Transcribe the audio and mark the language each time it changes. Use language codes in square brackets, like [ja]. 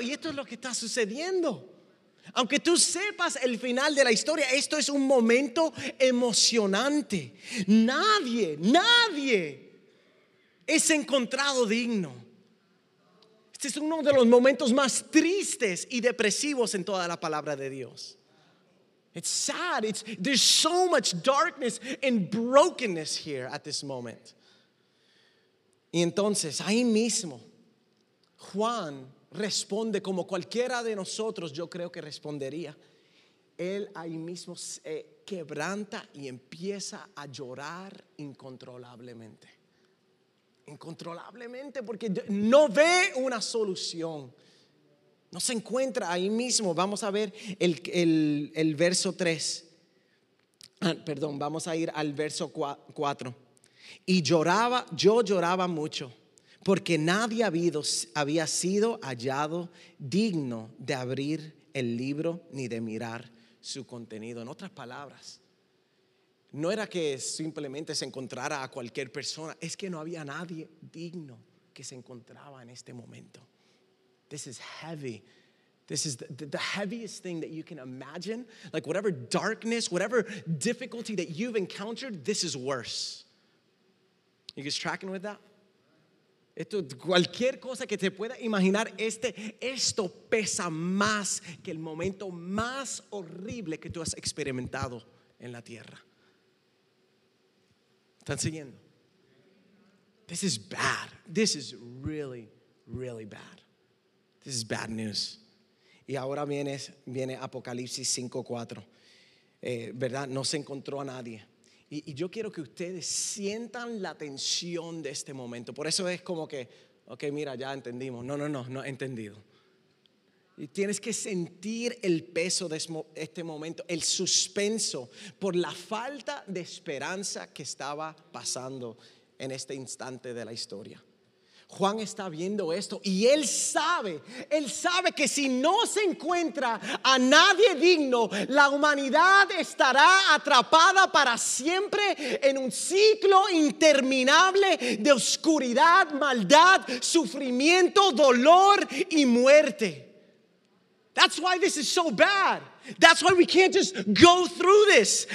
[es] Y esto es lo que está sucediendo. Aunque tú sepas el final de la historia, esto es un momento emocionante. Nadie es encontrado digno. Este es uno de los momentos más tristes y depresivos en toda la palabra de Dios. [en] It's sad. There's so much darkness and brokenness here at this moment. [es] Y entonces, ahí mismo, Juan responde como cualquiera de nosotros, yo creo que respondería. Él ahí mismo se quebranta y empieza a llorar incontrolablemente. Incontrolablemente, porque no ve una solución. No se encuentra ahí mismo. Vamos a ver el verso 3. Perdón, vamos a ir al verso 4. Y yo lloraba mucho, porque nadie había sido hallado digno de abrir el libro ni de mirar su contenido. En otras palabras, no era que simplemente se encontrara a cualquier persona, es que no había nadie digno que se encontraba en este momento. [en] This is heavy. This is the heaviest thing that you can imagine. Like, whatever darkness, whatever difficulty that you've encountered, this is worse. You guys tracking with that? [es] Esto, cualquier cosa que te pueda imaginar, esto pesa más que el momento más horrible que tú has experimentado en la tierra. ¿Están siguiendo? [en] This is bad. This is really, really bad. This is bad news. [es] Y ahora viene Apocalipsis 5:4. ¿Verdad? No se encontró a nadie. Y yo quiero que ustedes sientan la tensión de este momento. Por eso es como que, ok, mira, ya entendimos. No he entendido. Y tienes que sentir el peso de este momento, el suspenso por la falta de esperanza que estaba pasando en este instante de la historia. Juan está viendo esto y él sabe que si no se encuentra a nadie digno, la humanidad estará atrapada para siempre en un ciclo interminable de oscuridad, maldad, sufrimiento, dolor y muerte. [en] That's why this is so bad. That's why we can't just go through this.